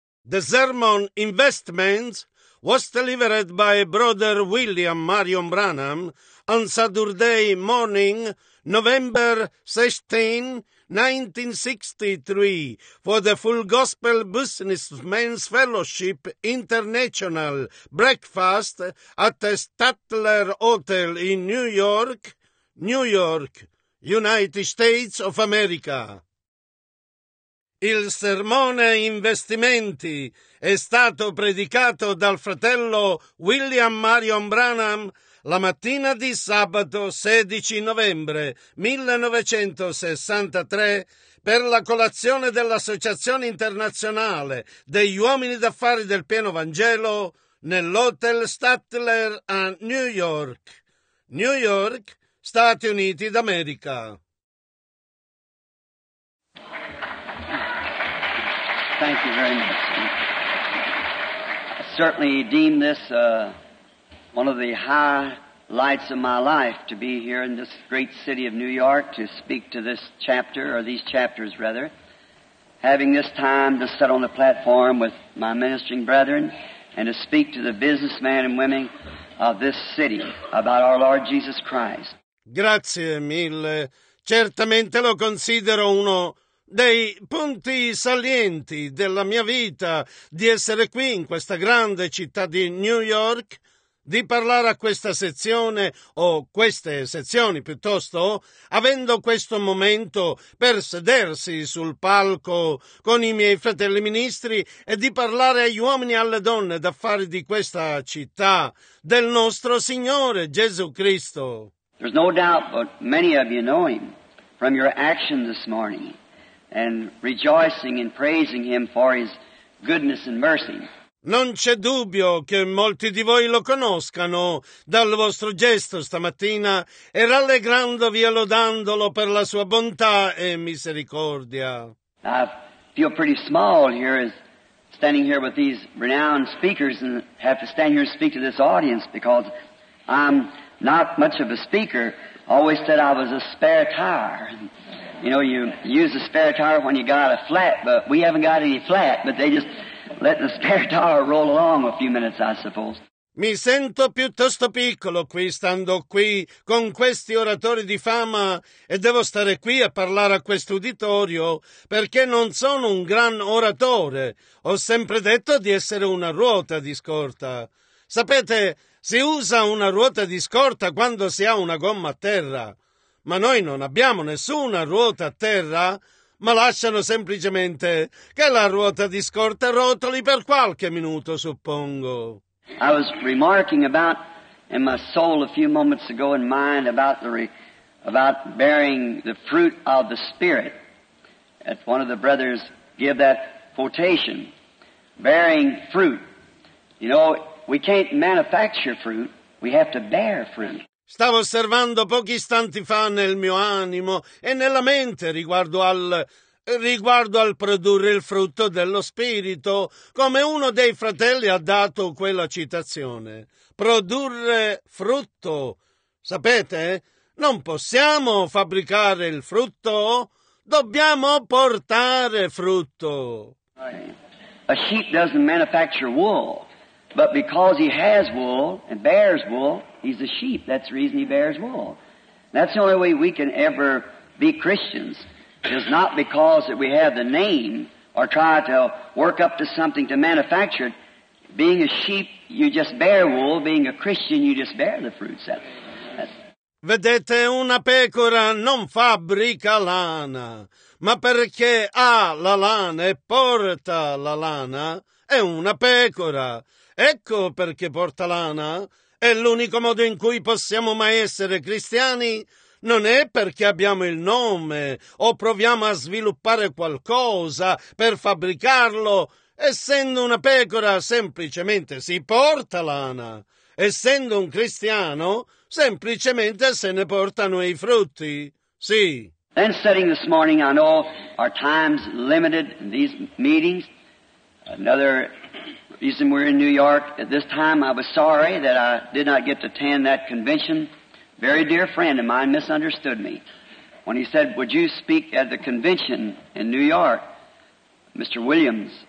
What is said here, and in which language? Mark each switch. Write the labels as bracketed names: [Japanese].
[English] The sermon Investments was delivered by Brother William Marion Branham on Saturday morning, November 16, 1963, for the Full Gospel Businessmen's Fellowship International breakfast at the Statler Hotel in New York, New York, United States of America. [Italian] Il sermone Investimenti è stato predicato dal fratello William Marion Branham la mattina di sabato 16 novembre 1963 per la colazione dell'Associazione Internazionale degli Uomini d'Affari del Pieno Vangelo nell'Hotel Statler a New York, New York, Stati Uniti d'America. [English] Thank you very much. I certainly deem this one of the highlights of my life to be here in this great city of New York to speak to this chapter, or these chapters rather, having this time to sit on the platform with my ministering brethren and to speak to the businessmen and women of this city about our Lord Jesus Christ. [Italian] Grazie mille. Certamente lo considero uno dei punti salienti della mia vita di essere qui in questa grande città di New York, di parlare a questa sezione o queste sezioni piuttosto, avendo questo momento per sedersi sul palco con i miei fratelli ministri e di parlare agli uomini e alle donne d'affari di questa città del nostro Signore Gesù Cristo. [English] There's no doubt but many of you know him from your action this morning and rejoicing and praising him for his goodness and mercy. [Italian] Non c'è dubbio che molti di voi lo conoscano dal vostro gesto stamattina e rallegrandovi e lodandolo per la sua bontà e misericordia. [English] I feel pretty small here as standing here with these renowned speakers and have to stand here and speak to this audience because I'm not much of a speaker. Always said I was a spare tire. You know, you use a spare tire when you got a flat, but we haven't got any flat, but they just let the spare tire roll along a few minutes, I suppose. [Italian] Mi sento piuttosto piccolo qui, stando qui con questi oratori di fama e devo stare qui a parlare a questo uditorio perché non sono un gran oratore. Ho sempre detto di essere una ruota di scorta. Sapete, si usa una ruota di scorta quando si ha una gomma a terra. Ma noi non abbiamo nessuna ruota a terra, ma lasciano semplicemente che la ruota di scorta rotoli per qualche minuto, suppongo. [English] I was remarking about in my soul a few moments ago in mind about the about bearing the fruit of the Spirit. At one of the brothers give that quotation, bearing fruit. You know, we can't manufacture fruit, we have to bear fruit. [Italian] Stavo osservando pochi istanti fa nel mio animo e nella mente riguardo al produrre il frutto dello Spirito, come uno dei fratelli ha dato quella citazione. Produrre frutto. Sapete? Non possiamo fabbricare il frutto, dobbiamo portare frutto. [English] A sheep doesn't manufacture wool, but because he has wool and bears wool, he's a sheep. That's the reason he bears wool. That's the only way we can ever be Christians. It's not because that we have the name or try to work up to something to manufacture it. Being a sheep, you just bear wool. Being a Christian, you just bear the fruits. [Italian] Vedete, una pecora non fabbrica lana, ma perché ha la lana e porta la lana, è una pecora. Ecco perché porta lana. È l'unico modo in cui possiamo mai essere cristiani. Non è perché abbiamo il nome o proviamo a sviluppare qualcosa per fabbricarlo. Essendo una pecora, semplicemente si porta lana. Essendo un cristiano, semplicemente se ne portano i frutti. Sì. [English] Then setting this morning, I know our time's limited in these meetings. Another reason we're in New York at this time, I was sorry that I did not get to attend that convention. Very dear friend of mine misunderstood me when he said, would you speak at the convention in New York, Mr. Williams,